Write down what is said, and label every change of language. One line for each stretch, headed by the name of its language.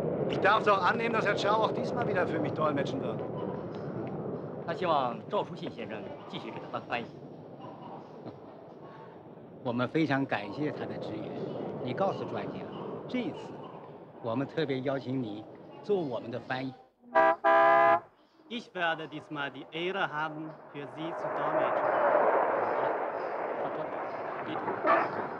German: Ich darf doch annehmen, dass Herr Zhao auch diesmal wieder für mich dolmetschen wird.
Chinese: 他希望赵书信先生继续给他当翻译。我们非常感谢他的支援。你告诉专家，这一次我们特别邀请你做我们的翻译。
German: Ich werde diesmal die Ehre haben, für Sie zu dolmetschen.